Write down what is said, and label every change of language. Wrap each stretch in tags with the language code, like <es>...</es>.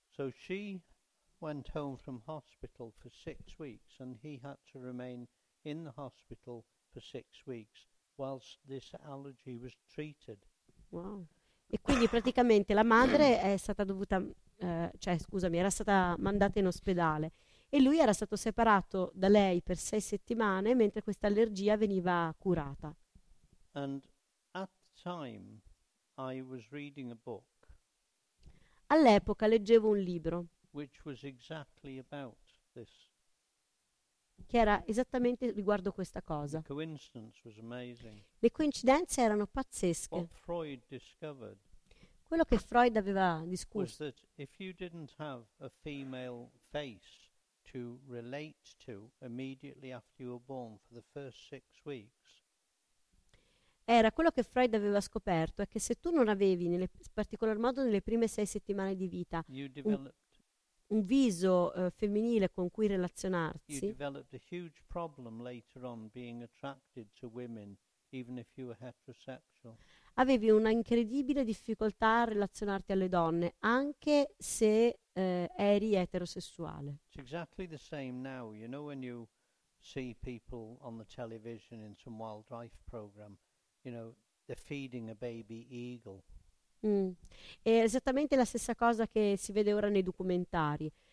<en>So she went home from hospital for 6 weeks and he had to remain in the hospital for 6 weeks whilst this allergy was treated. Wow.</en> <it>E quindi praticamente la madre è stata dovuta era stata mandata in ospedale e lui era stato separato da lei per 6 settimane mentre questa allergia veniva curata.</it> <en>And at the time I was reading a book.</en> <it>All'epoca leggevo un libro.</it> <en>Which was exactly about this.</en> <it>Che era esattamente riguardo questa cosa.</it> <en>The coincidence was amazing.</en> <it>Le coincidenze erano pazzesche.</it> <en>What Freud discovered.</en> <it>Quello che Freud aveva discusso.</it> <en>Was that if you didn't have a female face to relate to immediately after you were born for the first 6 weeks.</en> <it>Era quello che Freud aveva scoperto è che se tu non avevi nelle particolar modo nelle prime 6 settimane di vita un viso femminile con cui relazionarsi.</it> <en>You developed a huge problem later on being attracted to women, even if you were heterosexual.</en> <it>Avevi una incredibile difficoltà a relazionarti alle donne, anche se eri eterosessuale.</it> <en>It's exactly the same now. You know when you see people on the television in some wildlife program, you know, they're feeding a baby eagle. Mm.</en> <it>È esattamente la stessa cosa che si vede ora nei documentari.</it>